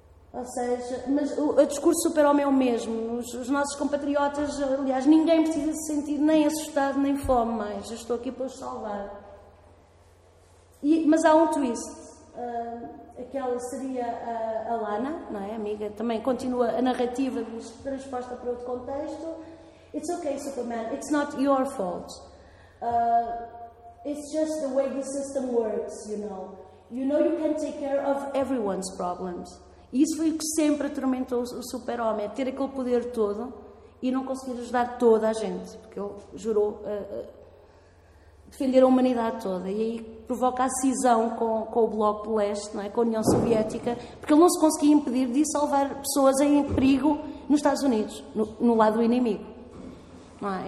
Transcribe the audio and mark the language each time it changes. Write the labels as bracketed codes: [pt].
[pt] Ou seja, mas o discurso super-homem é o mesmo. Os nossos compatriotas, aliás, ninguém precisa se sentir nem assustado nem fome mais. Eu estou aqui para os salvar. Mas há um twist. Aquela seria a Lana, não é? Amiga, também continua a narrativa, mas transposta para outro contexto. [en] It's okay, Superman. It's not your fault. It's just the way the system works, you know. You know you can take care of everyone's problems. [pt] E isso foi o que sempre atormentou o super-homem, é ter aquele poder todo e não conseguir ajudar toda a gente, porque ele jurou defender a humanidade toda. E aí provoca a cisão com o Bloco de Leste, não é? Com a União Soviética, porque ele não se conseguia impedir de salvar pessoas em perigo nos Estados Unidos, no lado do inimigo. Não é?